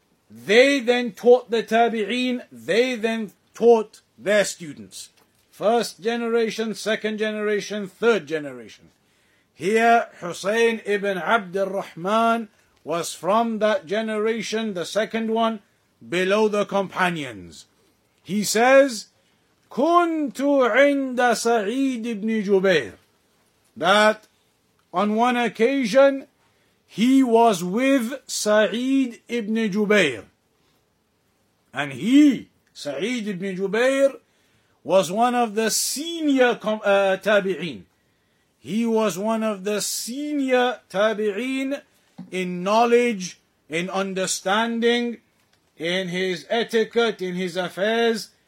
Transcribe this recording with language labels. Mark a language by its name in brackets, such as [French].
[English] They then taught the Tabi'een, they then taught their students. First generation, second generation, third generation. Here, Husayn ibn Abd al-Rahman was from that generation, the second one, below the companions. He says, [Arabic] كنت عند سعيد بن جبير. [English] That on one occasion, he was with Sa'id ibn Jubayr. And he, Sa'id ibn Jubayr, was one of the senior tabi'een. He was one of the senior tabi'een in knowledge, in understanding, in his etiquette, in his affairs.